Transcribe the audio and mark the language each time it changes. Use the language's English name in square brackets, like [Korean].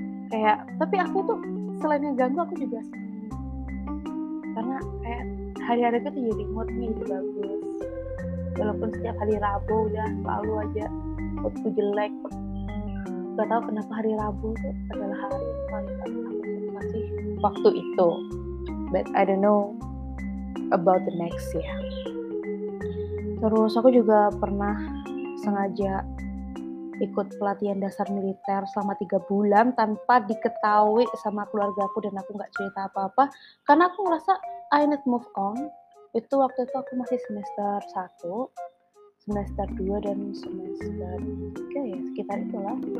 [Indonesian] Kayak, tapi aku tuh selain ngeganggu aku juga senang. Karena kayak hari-hari itu jadi mood nih, jadi bagus. Walaupun setiap hari Rabu udah selalu aja moodku jelek. Gak tau kenapa hari Rabu tuh adalah hari paling aku masih waktu itu. [English] But I don't know about the next ya. [Indonesian] Terus aku juga pernah sengaja ikut pelatihan dasar militer selama 3 bulan tanpa diketahui sama keluarga aku dan aku gak cerita apa-apa. Karena aku ngerasa [English] I need move on. [Indonesian] Itu waktu itu aku masih semester 1, semester 2, dan semester 3 ya, sekitar itulah.